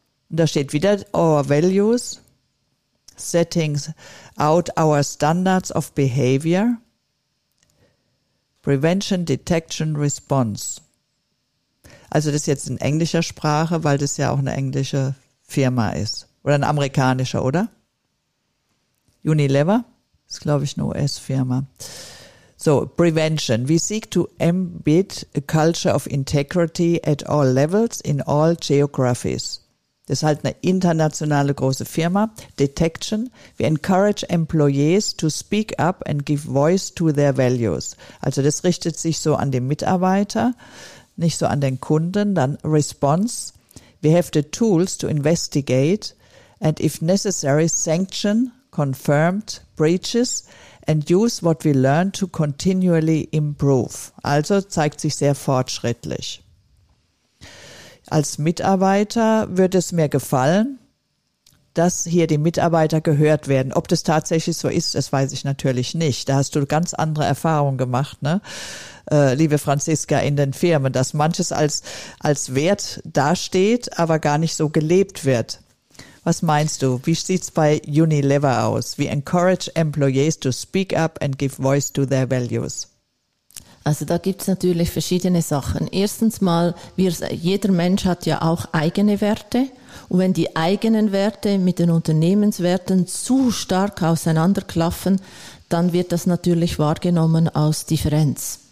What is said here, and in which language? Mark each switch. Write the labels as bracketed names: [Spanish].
[German] Und da steht wieder [English] Our Values, Setting Out Our Standards of Behavior, Prevention, Detection, Response. [German] Also das ist jetzt in englischer Sprache, weil das ja auch eine englische Firma ist. Oder ein amerikanischer, oder? Unilever ist, glaube ich, eine US-Firma. So, Prevention. [English] We seek to embed a culture of integrity at all levels in all geographies. [German] Das ist halt eine internationale große Firma. Detection. [English] We encourage employees to speak up and give voice to their values. [German] Also das richtet sich so an den Mitarbeiter, nicht so an den Kunden. Dann Response. [English] We have the tools to investigate and if necessary sanction confirmed breaches and use what we learn to continually improve. [German] Also zeigt sich sehr fortschrittlich. Als Mitarbeiter würde es mir gefallen, dass hier die Mitarbeiter gehört werden. Ob das tatsächlich so ist, das weiß ich natürlich nicht. Da hast du ganz andere Erfahrungen gemacht, ne? Liebe Franziska, in den Firmen, dass manches als Wert dasteht, aber gar nicht so gelebt wird. Was meinst du? Wie sieht's bei Unilever aus? [English] We encourage employees to speak up and give voice to their values. [German] Also da gibt's natürlich verschiedene Sachen. Erstens mal, jeder Mensch hat ja auch eigene Werte. Und wenn die eigenen Werte mit den Unternehmenswerten zu stark auseinanderklaffen, dann wird das natürlich wahrgenommen als Differenz.